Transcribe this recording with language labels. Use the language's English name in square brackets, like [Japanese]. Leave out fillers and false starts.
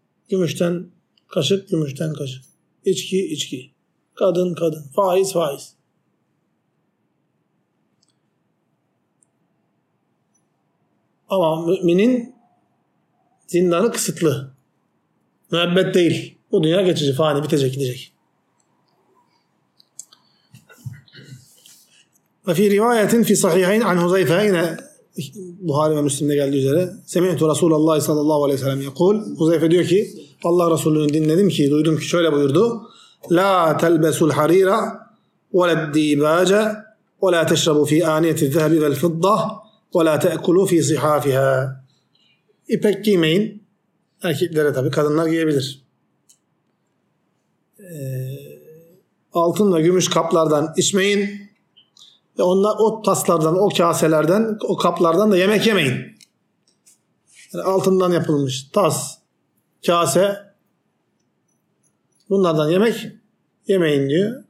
[Turkish] Gümüşten kaşık, gümüşten kaşık. İçki, içki. Kadın, kadın. Faiz, faiz. Ama müminin zindanı kısıtlı. Müebbet değil. Bu dünya geçici, fani, bitecek, gidecek. [Arabic] وفي رواية في صحيحين عن حذيفة هنا البخاري ومسلم قال üzere سمعت رسول الله صلى الله عليه وسلم يقول حذيفة [Turkish] diyor ki Allah Resulü'nü dinledim ki duydum ki şöyle buyurdu [Arabic] لا تلبسوا الحرير ولا الديباج ولا تشربوا في آنية الذهب والفضة ولا تأكلوا في صحافها. [Turkish] İpek giymeyin. Erkeklere tabii, kadınlar giyebilir. Altın ve gümüş kaplardan içmeyin. Onlar o taslardan, o kaselerden, o kaplardan da yemek yemeyin. Yani altından yapılmış tas, kase, bunlardan yemek yemeyin diyor.